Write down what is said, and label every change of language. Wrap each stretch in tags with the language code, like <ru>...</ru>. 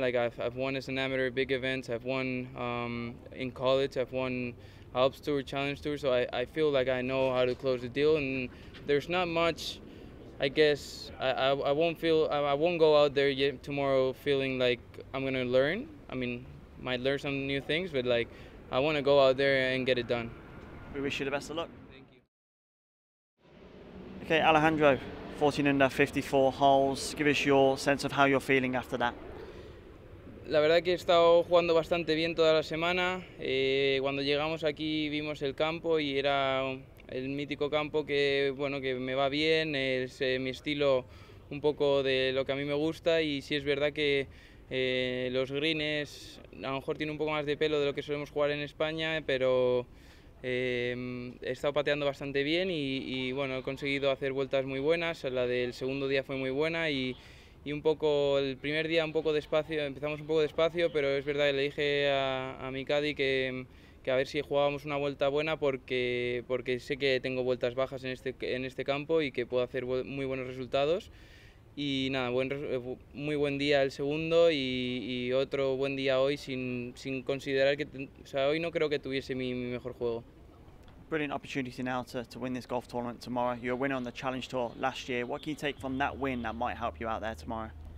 <en>Like I've won as an amateur big events, I've won in college, I've won Alps Tour, Challenge Tour, so I feel like I know how to close the deal, and there's not much, I guess, I won't go out there yet tomorrow feeling like I'm gonna learn. I mean, might learn some new things, but like I want to go out there and get it done. We wish you the best of luck. Thank you. Okay, Alejandro, 14 under, 54 holes. Give us your sense of how you're feeling after that.</en> <es>La verdad que he estado jugando bastante bien toda la semana. Cuando llegamos aquí vimos el campo y era el mítico campo que bueno que me va bien. Es mi estilo, un poco de lo que a mí me gusta, y sí es verdad que los greens a lo mejor tiene un poco más de pelo de lo que solemos jugar en España, pero he estado pateando bastante bien y bueno, he conseguido hacer vueltas muy buenas. La del segundo día fue muy buena y un poco el primer día un poco despacio, empezamos un poco despacio, pero es verdad que le dije a mi caddy que a ver si jugábamos una vuelta buena porque sé que tengo vueltas bajas en este campo y que puedo hacer muy buenos resultados. Y nada, muy buen día el segundo y otro buen día hoy sin considerar que, o sea, hoy no creo que tuviese mi mejor juego.</es> <en>Brilliant opportunity now to win this golf tournament tomorrow. You're a winner on the Challenge Tour last year. What can you take from that win that might help you out there tomorrow?</en>